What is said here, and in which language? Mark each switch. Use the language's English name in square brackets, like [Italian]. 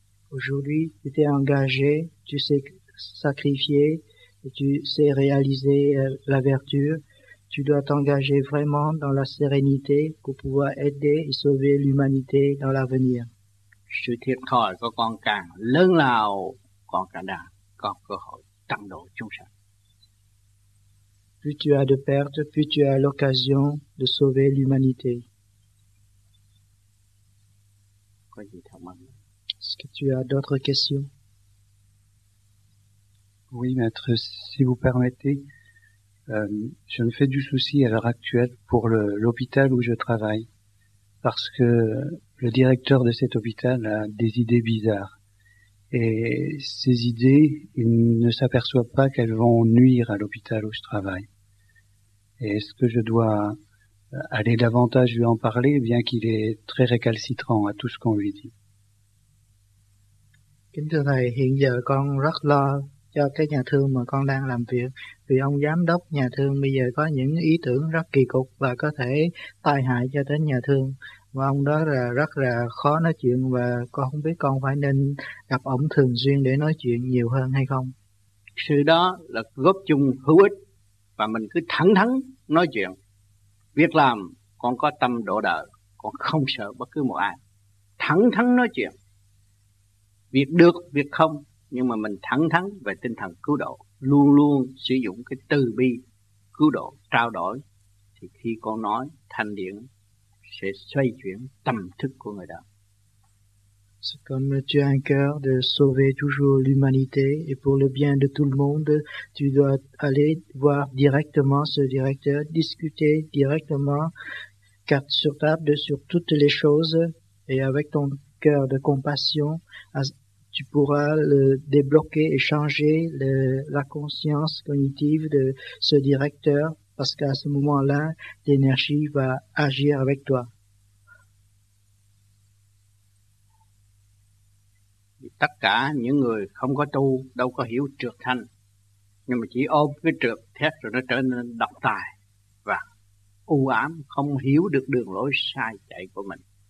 [French] Aujourd'hui, tu t'es engagé, tu sais sacrifié, et tu sais réaliser la vertu. Tu dois t'engager vraiment dans la sérénité pour pouvoir aider et sauver l'humanité dans l'avenir. [Vietnamese] Sự thiệt thòi của con càng lớn lao, con càng đạt có cơ hội tăng độ chúng sanh. [French] Plus tu as de pertes, plus tu as l'occasion de sauver l'humanité. Est-ce que tu as d'autres questions? Oui, maître, si vous permettez, je me fais du souci à l'heure actuelle pour l'hôpital où je travaille, parce que le directeur de cet hôpital a des idées bizarres. Et ces idées, il ne s'aperçoit pas qu'elles vont nuire à l'hôpital où je travaille. Et est-ce que je dois aller davantage lui en parler, bien qu'il est très récalcitrant à tout ce qu'on lui dit? [Vietnamese] Kính thưa thầy, hiện giờ con rất lo cho cái nhà thương mà con đang làm việc, vì ông giám đốc nhà thương bây giờ có những ý tưởng rất kỳ cục và có thể tai hại cho đến nhà thương, và ông đó là rất là khó nói chuyện, và con không biết con phải nên gặp ông thường xuyên để nói chuyện nhiều hơn hay không. Sự đó là góp chung hữu ích, và mình cứ thẳng thắn nói chuyện. Việc làm, con có tâm độ đời, con không sợ bất cứ một ai. Thẳng thắn nói chuyện. Việc được, việc không, nhưng mà mình thẳng thắn về tinh thần cứu độ, luôn luôn sử dụng cái từ bi cứu độ, trao đổi, thì khi con nói, thanh điển sẽ xoay chuyển tâm thức của người đó. [French] C'est comme tu as un cœur de sauver toujours l'humanité, et pour le bien de tout le monde, tu dois aller voir directement ce directeur, discuter directement, carte sur table, sur toutes les choses, et avec ton cœur de compassion, tu pourras le débloquer et changer la conscience cognitive de ce directeur, parce qu'à ce moment-là, l'énergie va agir avec toi. [Vietnamese] Tất cả những người không có tu đâu có hiểu trược thanh, nhưng mà chỉ ôm cái trược thét rồi nó trở nên độc tài và u ám, không hiểu được đường lối sai chạy của mình.